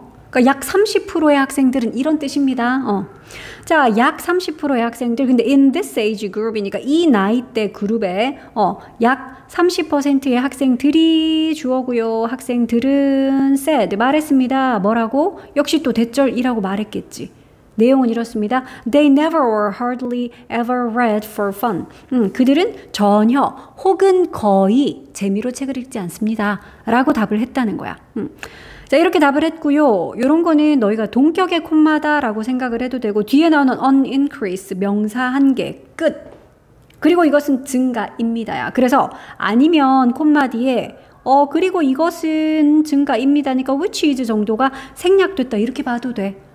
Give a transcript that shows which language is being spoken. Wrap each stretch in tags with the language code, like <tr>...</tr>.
<ko>그러니까 약 30%의 학생들은 이런 뜻입니다. 자, 약 30%의 학생들, 근데</ko> <en>in this age group</en> <ko>이니까 이 나이대 그룹에 약 30%의 학생들이 주어고요. 학생들은 said, 말했습니다. 뭐라고? 역시 또 대절이라고 말했겠지. 내용은 이렇습니다.</ko> <en>They never or hardly ever read for fun.</en> <ko>그들은 전혀 혹은 거의 재미로 책을 읽지 않습니다. 라고 답을 했다는 거야. 자, 이렇게 답을 했고요. 이런 거는 너희가 동격의 콤마다 라고 생각을 해도 되고 뒤에 나오는</ko> <en>an increase,</en> <ko>명사 한 개, 끝. 그리고 이것은 증가입니다야. 그래서 아니면 콤마 뒤에 그리고 이것은 증가입니다니까</ko> <en>which is</en> <ko>정도가 생략됐다 이렇게 봐도 돼.</ko>